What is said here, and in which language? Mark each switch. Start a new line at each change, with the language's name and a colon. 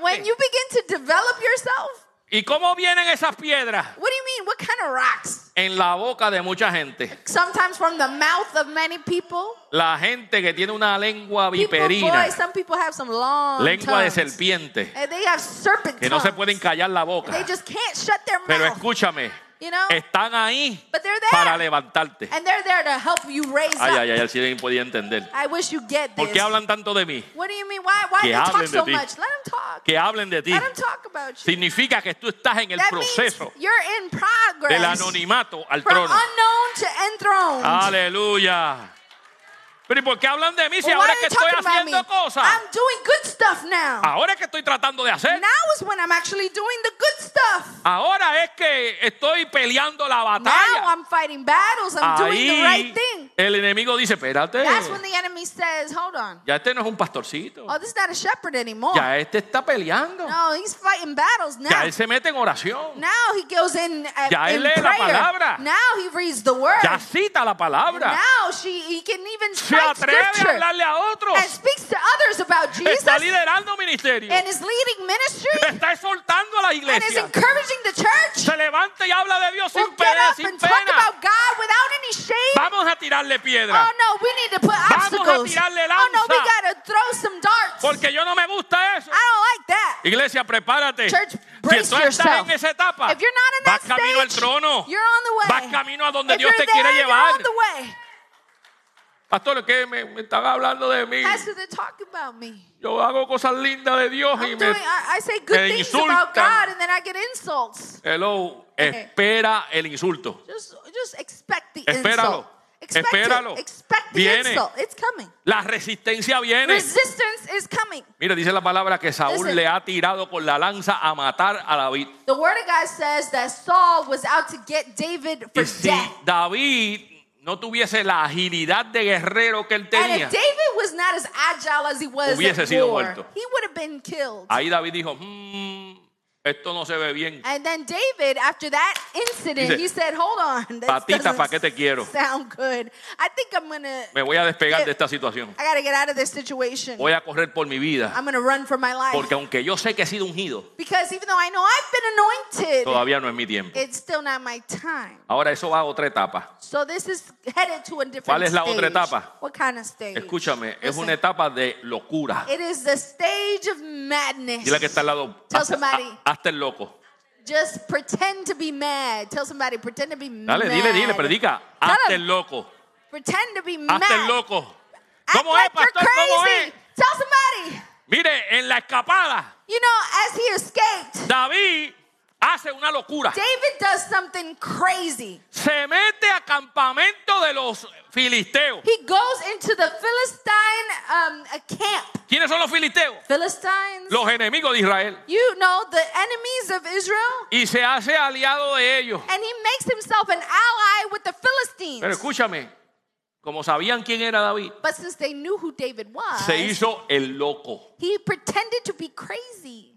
English: when you begin to develop yourself,
Spanish: ¿Y cómo vienen esas piedras?
English: What do you mean? What kind of rocks?
Spanish: En la boca de mucha gente.
English: Sometimes from the mouth of many people.
Spanish: La gente que tiene una lengua viperina.
English: People, boy, some people have some long
Spanish: lengua
English: tongues.
Spanish: De serpiente.
English: They have serpent tongues.
Spanish: Que no se pueden callar la boca.
English: They just can't shut their mouth.
Spanish: Pero escúchame.
English: You know?
Spanish: Están ahí
English: but they're there.
Spanish: Para levantarte.
English: And they're there to help you raise ay, up.
Spanish: Ay, ay, ay, si bien podía entender.
English: I wish you get this.
Spanish: ¿Por qué hablan tanto de mí?
English: What do you mean? Why
Spanish: que
English: do you talk so
Spanish: ti.
English: Much? Let them talk.
Spanish: Que hablen de ti.
English: Let them talk about you.
Spanish: Significa que tú estás en
English: that
Spanish: el proceso.
English: Means you're in progress.
Spanish: Del anonimato al
English: from
Spanish: trono.
English: From unknown to enthroned.
Spanish: Aleluya. Pero ¿y por qué hablan de mí si ahora es que estoy haciendo cosas?
English: I'm doing good stuff now.
Spanish: Ahora es que estoy tratando de hacer.
English: Now is when I'm actually doing the good stuff.
Spanish: Ahora es que estoy peleando la batalla.
English: Now I'm fighting battles. I'm
Spanish: ahí
English: doing the right thing.
Spanish: El enemigo dice, espérate.
English: That's when the enemy says, hold on.
Spanish: Ya este no es un pastorcito.
English: Oh, this is not a shepherd anymore.
Spanish: Ya este está peleando.
English: No, he's fighting battles now.
Spanish: Ya él se mete en oración.
English: Now he goes in prayer.
Spanish: Ya él lee la palabra.
English: Now he reads the word.
Spanish: Ya cita la palabra.
English: Now he can even
Spanish: se atreve a hablarle a otros.
English: And speaks to others about Jesus.
Spanish: Está liderando ministerio.
English: And is leading ministry.
Spanish: Está exhortando a la iglesia.
English: And is encouraging the church.
Spanish: Se levanta y habla de Dios
English: we'll
Spanish: sin pena, sin
English: get up and talk about God without any shame.
Spanish: Vamos a tirarle piedra.
English: Oh no, we need to put
Spanish: vamos
English: obstacles.
Spanish: Vamos a tirarle lanza.
English: Oh no, we gotta throw some darts.
Spanish: Porque yo no me gusta eso.
English: I don't like that.
Spanish: Iglesia, prepárate.
English: Church, brace
Spanish: si tú estás
English: yourself.
Spanish: En esa etapa,
English: if you're not in that
Spanish: vas camino
English: stage,
Spanish: al trono.
English: You're on the way.
Spanish: Vas camino a donde
English: if
Spanish: Dios te
English: there,
Spanish: quiere llevar.
English: You're on the way.
Spanish: Pastor, ¿qué me están hablando de mí?
English: Pastor, they're talking about me.
Spanish: Yo hago cosas lindas de Dios
English: I'm
Spanish: y me
English: I say good things about God and then I get insults.
Spanish: Hello, espera el insulto.
English: Just expect the
Spanish: espéralo.
English: Insult. Expect
Spanish: espéralo.
English: It. Expect
Spanish: viene.
English: The insult. It's coming.
Spanish: La resistencia viene.
English: Resistance is coming.
Spanish: Mira, dice la palabra que Saúl
English: listen.
Spanish: Le ha tirado con la lanza a matar a David.
English: The word of God says that Saul was out to get David for
Spanish: y si
English: death.
Spanish: David no tuviese la agilidad de guerrero que él tenía.
English: And if David was not as agile as he was
Spanish: hubiese
English: at war,
Spanish: muerto.
English: He would have been killed.
Spanish: Ahí David dijo, esto no se ve bien.
English: And then David, after that incident,
Spanish: dice,
English: he said, hold on. This
Spanish: patita, ¿pa qué te quiero?
English: Sound good. I think I'm gonna.
Spanish: Me voy a despegar de esta situación.
English: I gotta get out of this situation.
Spanish: Voy a correr por mi vida.
English: I'm gonna run for my life.
Spanish: Porque aunque yo sé que he sido ungido.
English: Because even though I know I've been anointed.
Spanish: Todavía no es mi tiempo.
English: It's still not my time.
Spanish: Ahora eso va a otra etapa.
English: So this is headed to a different stage.
Spanish: ¿Cuál es la
English: stage?
Spanish: Otra etapa?
English: What kind of stage?
Spanish: Escúchame,
English: listen.
Spanish: Es una etapa de locura.
English: It is the stage of madness.
Spanish: Dile que está al lado.
English: Tell somebody.
Spanish: Hasta el loco.
English: Just pretend to be mad. Tell somebody, pretend to be
Spanish: dale,
English: mad.
Spanish: Dale, dile, predica. Hasta el loco.
English: Pretend to be mad.
Spanish: Hasta el loco.
English: Act
Spanish: ¿cómo
English: like
Spanish: es, pastor?
English: You're crazy.
Spanish: ¿Cómo es?
English: Tell somebody.
Spanish: Mire, en la escapada.
English: You know, as he escaped.
Spanish: David hace una locura.
English: David does something crazy.
Spanish: Se mete a campamento de los filisteos.
English: He goes into the Philistine camp.
Spanish: ¿Quiénes son los filisteos?
English: Philistines.
Spanish: Los enemigos de Israel.
English: You know, the enemies of Israel.
Spanish: Y se hace aliado de ellos.
English: And he makes himself an ally with the Philistines.
Spanish: Pero escúchame, como sabían quién era David,
English: but since they knew who David was,
Spanish: se hizo el loco.
English: He pretended to be crazy.